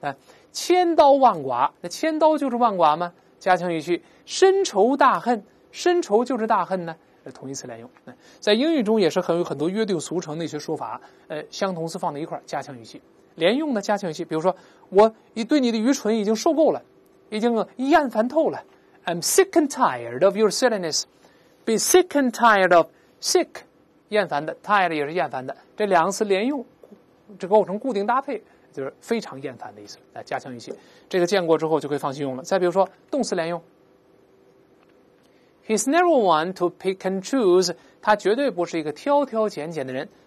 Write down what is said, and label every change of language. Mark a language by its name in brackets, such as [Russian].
[Chinese] 哎，千刀万剐，那千刀就是万剐嘛。加强语气，深仇大恨，深仇就是大恨呢。同义词连用。哎，在英语中也是很有很多约定俗成的一些说法，相同词放在一块加强语气，连用的加强语气。比如说，我对你的愚蠢已经受够了。已经厌烦透了。 [English] I'm sick and tired of your silliness. Be sick and tired of sick. [Chinese] 厌烦的 [English] ,tired [Chinese] 也是厌烦的。这两个词连用这构成固定搭配，就是非常厌烦的意思。来加强语气。这个见过之后就可以放心用了。再比如说动词连用。 [English] He's never one to pick and choose. [Chinese] 他绝对不是一个挑挑拣拣的人。